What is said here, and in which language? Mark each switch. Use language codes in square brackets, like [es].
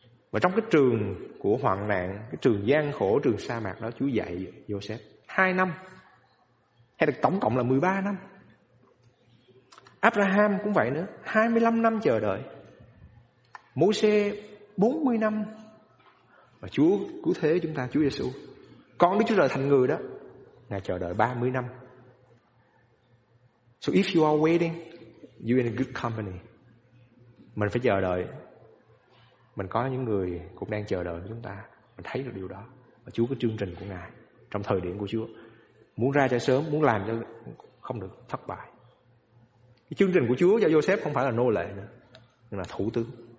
[vi] Và trong cái trường của hoạn nạn, cái trường gian khổ, trường sa mạc đó, Chúa dạy Joseph 2 năm, hay được tổng cộng là 13 năm. Abraham cũng vậy nữa, 25 năm chờ đợi. Mô-xê 40 năm. Và Chúa cứu thế chúng ta, Chúa Giê-xu, con Đức Chúa Trời thành người đó, Ngài chờ đợi 30 năm. [en] So if you are waiting, you're in a good company. [vi] Mình phải chờ đợi, mình có những người cũng đang chờ đợi chúng ta. Mình thấy được điều đó. Và Chúa có chương trình của Ngài trong thời điểm của Chúa. Muốn ra cho sớm, muốn làm cho không được, thất bại. Cái chương trình của Chúa cho Joseph không phải là nô lệ nữa, nhưng là thủ tướng.